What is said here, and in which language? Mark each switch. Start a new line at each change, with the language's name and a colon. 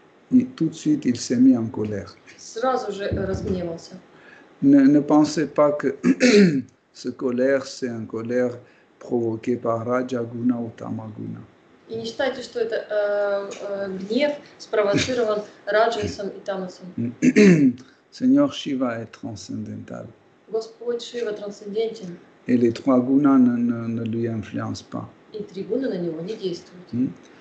French: и tout de suite il s'est mis en colère.
Russian: Сразу же разгневался.
French: Ne pensez pas que ce colère, c'est un colère provoqué par Rajaguna ou Tamaguna.
Russian: И не считайте, что это гнев спровоцирован Раджасом и Тамасом.
French: Seigneur Shiva est transcendental.
Russian: Господь Шива трансцендентен.
French: Et les trois gunas ne lui influencent pas.
Russian: И три гуны на него не действуют.